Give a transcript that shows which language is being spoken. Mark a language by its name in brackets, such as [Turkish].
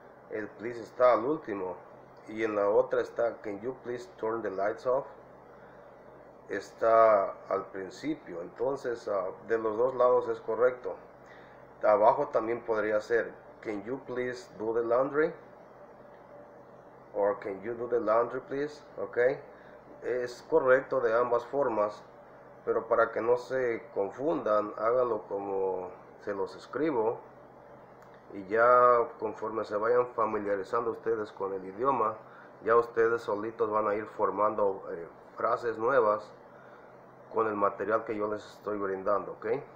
[Spanish] El please está al último. Y en la otra está [English] can you please turn the lights off? [Spanish] Está al principio. Entonces, de los dos lados es correcto. Abajo también podría ser [English] can you please do the laundry? Or can you do the laundry, please? ¿Ok? [Spanish] Es correcto de ambas formas. Pero para que no se confundan, háganlo como se los escribo y ya conforme se vayan familiarizando ustedes con el idioma, ya ustedes solitos van a ir formando frases nuevas con el material que yo les estoy brindando, ¿ok?